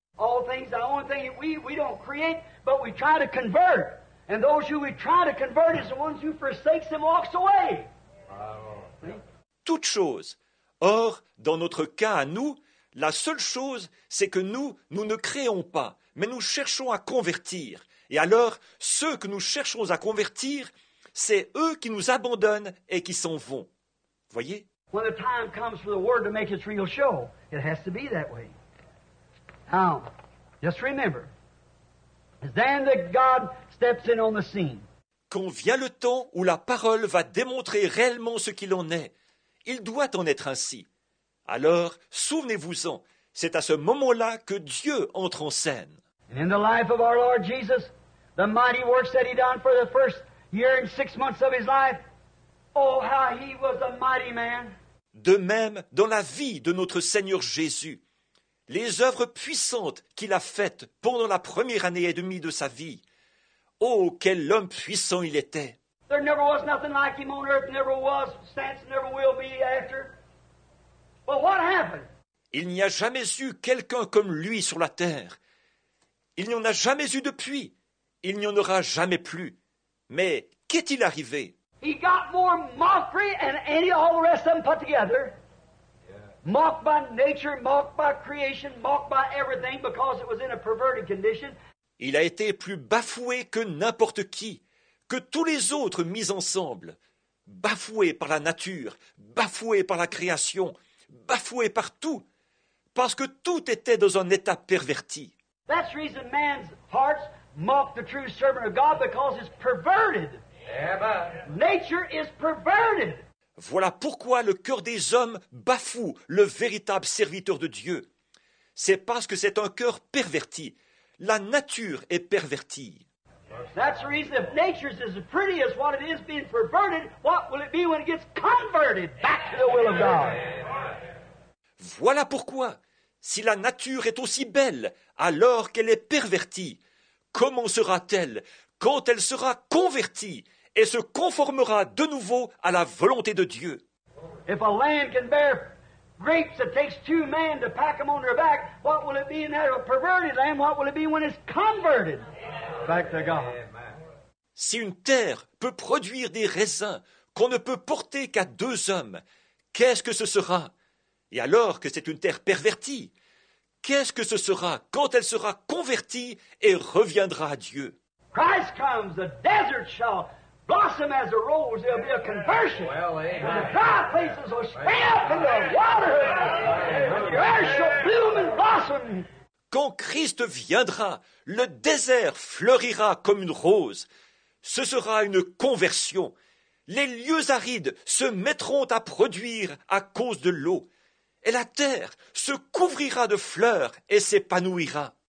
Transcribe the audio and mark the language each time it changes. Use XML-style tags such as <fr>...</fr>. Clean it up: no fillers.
<en>All things, the only thing we don't create, but we try to convert. And those who we try to convert is the ones who forsakes and walks away.</en> <fr>Toutes choses. Or, dans notre cas à nous, la seule chose, c'est que nous ne créons pas, mais nous cherchons à convertir. Et alors, ceux que nous cherchons à convertir, c'est eux qui nous abandonnent et qui s'en vont. Voyez?</fr> <en>When the time comes for the word to make its real show, it has to be that way. Now, just remember, then that God steps in on the scene.</en> <fr>Quand vient le temps où la parole va démontrer réellement ce qu'il en est, il doit en être ainsi. Alors, souvenez-vous-en, c'est à ce moment-là que Dieu entre en scène.</fr> <en>And in the life of our Lord Jesus, the mighty works that he done for the first year and 6 months of his life, oh, how he was a mighty man.</en> <fr>De même, dans la vie de notre Seigneur Jésus, les œuvres puissantes qu'il a faites pendant la première année et demie de sa vie, oh, quel homme puissant il était.</fr> <en>There never was nothing like him on earth, never was, since, never will be after. But what happened?</en> <fr>Il n'y a jamais eu quelqu'un comme lui sur la terre. Il n'y en a jamais eu depuis. Il n'y en aura jamais plus. Mais qu'est-il arrivé?</fr> <en>He got more mockery and any all the rest of them put together. Mocked by nature, mocked by creation, mocked by everything because it was in a perverted condition.</en> <fr>Il a été plus bafoué que n'importe qui, que tous les autres mis ensemble. Bafoué par la nature, bafoué par la création, bafoué par tout, parce que tout était dans un état perverti.</fr> <en>That's the reason man's hearts mock the true servant of God because it's perverted. Nature is perverted.</en> <fr>Voilà pourquoi le cœur des hommes bafoue le véritable serviteur de Dieu. C'est parce que c'est un cœur perverti. La nature est pervertie.</fr> <en>That's the reason if nature is as pretty as what it is being perverted, what will it be when it gets converted back to the will of God?</en> <fr>Voilà pourquoi, si la nature est aussi belle alors qu'elle est pervertie, comment sera-t-elle? quand elle sera convertie et se conformera de nouveau à la volonté de Dieu.</fr> <en>If a land can bear grapes that takes two men to pack them on their back, what will it be in that perverted land? What will it be when it's converted back to God?</en> <fr>Si une terre peut produire des raisins qu'on ne peut porter qu'à deux hommes, qu'est-ce que ce sera? Et alors que c'est une terre pervertie, qu'est-ce que ce sera quand elle sera convertie et reviendra à Dieu?</fr> <en>Christ comes, the desert shall blossom as a rose, there'll be a conversion. Well, and the dry places will spring up into water. The earth shall bloom and blossom.</en> <fr>Quand Christ viendra, le désert fleurira comme une rose. Ce sera une conversion. Les lieux arides se mettront à produire à cause de l'eau. Et la terre se couvrira de fleurs et s'épanouira.</fr>